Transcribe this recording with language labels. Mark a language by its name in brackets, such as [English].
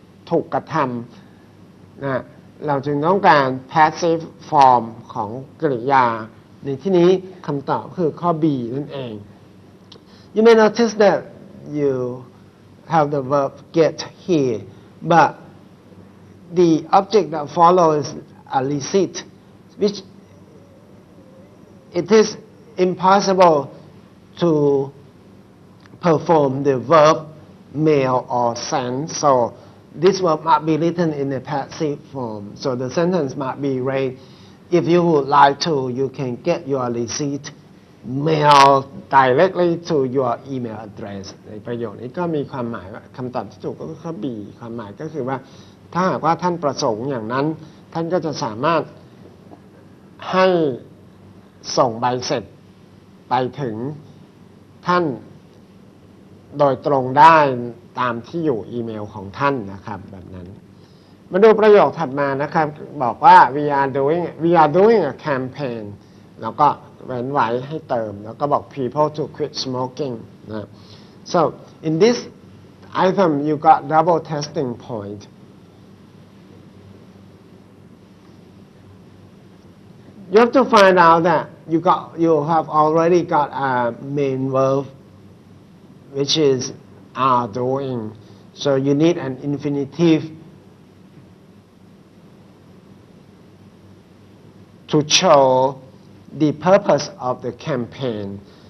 [Thai] ถูกกระทำนะเราจึงต้องการ passive form ของกริยาในที่นี้คำตอบคือข้อ B นั่นเอง [English] You may notice that you have the verb get here but the object that follows a receipt whichIt is impossible to perform the verb mail or send. So this verb might be written in a passive form. So the sentence might be read, if you would like to, you can get your receipt mailed directly to your email address. [Thai] ในประโยคนี้ก็มีความหมายว่าคำตอบที่ถูกก็คือ B. ความหมายก็คือว่าถ้าหากว่าท่านประสงค์อย่างนั้นท่านก็จะสามารถให้ส่งใบเสร็จไปถึงท่าน โดยตรงได้ตามที่อยู่อีเมลของท่านนะครับแบบนั้นมาดูประโยคถัดมานะครับบอกว่า [English] we are doing a campaign [Thai] แล้วก็เว้นไว้ให้เติมแล้วก็บอก [English] people to quit smoking นะ so in this item you got double testing pointYou have to find out that you have already got a main verb, which is are doing. So you need an infinitive to show the purpose of the campaign.